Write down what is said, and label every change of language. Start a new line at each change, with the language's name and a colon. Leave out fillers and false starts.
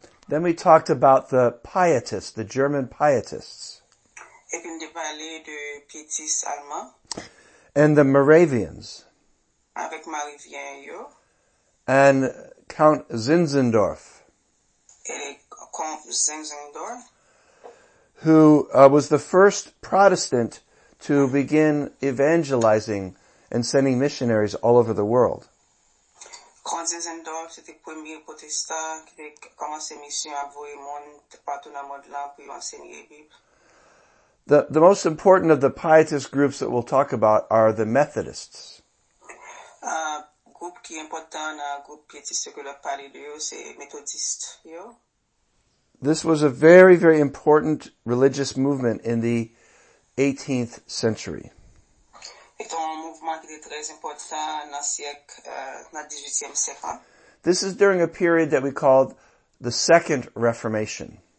English: Then we talked about the pietists, the German pietists.
French: Et puis nous parlons de pietistes allemands.
English: And the Moravians.
French: Avec Marivien et yo.
English: And Count Zinzendorf. Count Zinzendorf. Who was the first Protestant to begin evangelizing and sending missionaries all over the world.
French: Count Zinzendorf, c'était le premier protestant qui a commencé mission à voyer monde partout dans le monde là pour enseigner la Bible.
English: The most important of the pietist groups that we'll talk about are the Methodists.
French: Group qui est important, group pietiste que l'on parle de eux, c'est Methodiste, yo.
English: This was a very, very important religious movement in the 18th century.
French: C'est un mouvement qui est très important dans le siècle, dans le 18e siècle.
English: This is during a period that we called the Second Reformation.